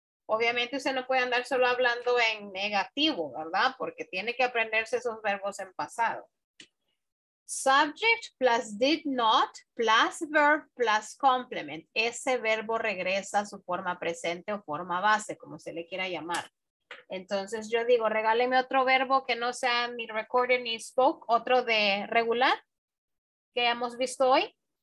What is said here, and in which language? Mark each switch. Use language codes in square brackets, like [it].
[es] Obviamente usted no puede andar solo hablando en negativo, ¿verdad? Porque tiene que aprenderse esos verbos en pasado. [en] Subject plus did not plus verb plus complement. [es] Ese verbo regresa a su forma presente o forma base, como se le quiera llamar. Entonces yo digo, regáleme otro verbo que no sea ni recorded ni spoke, otro de regular que hemos visto hoy.